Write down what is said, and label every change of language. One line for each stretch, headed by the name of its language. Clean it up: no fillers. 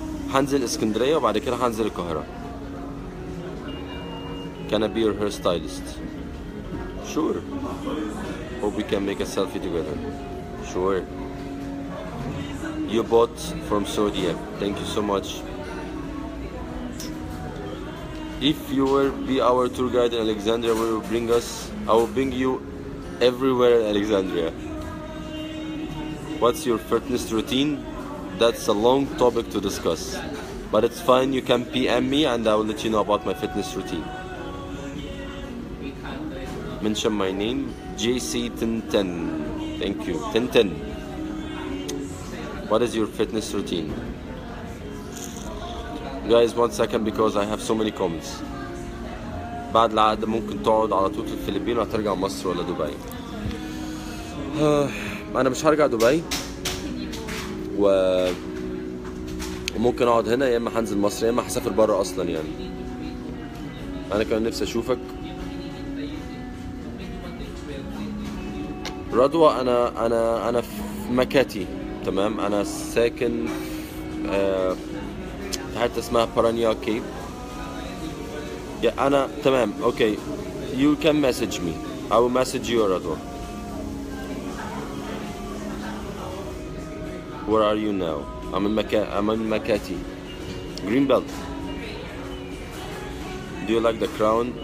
Arabic: هنزل اسكندريه وبعد كده هنزل القاهره.
English: Can I be your hairstylist? Sure. Hope we can make a selfie together. Sure. You bought from Saudi. Thank you so much. If you were be our tour guide in Alexandria, we will bring us. I will bring you everywhere in Alexandria. What's your fitness routine? That's a long topic to discuss. But it's fine. You can PM me, and I will let you know about my fitness routine. Mention my name, JC1010. Thank you, 1010. What is your fitness routine? Guys, one second, because I have so many comments.
Arabic: بعد العقد ممكن تقعد على طول في الفلبين وهترجع مصر ولا دبي. أنا مش هرجع دبي وممكن أقعد هنا يا إما هنزل مصر يا إما هسافر برا أصلا يعني. أنا كان نفسي أشوفك رضوى. أنا في مكاتي تمام. أنا ساكن في حتة اسمها بارانيا كيب. أنا تمام.
English: Okay you can message me. I will message you Radwa. Where are you now? I'm in Makati. Green belt. Do you like the crown?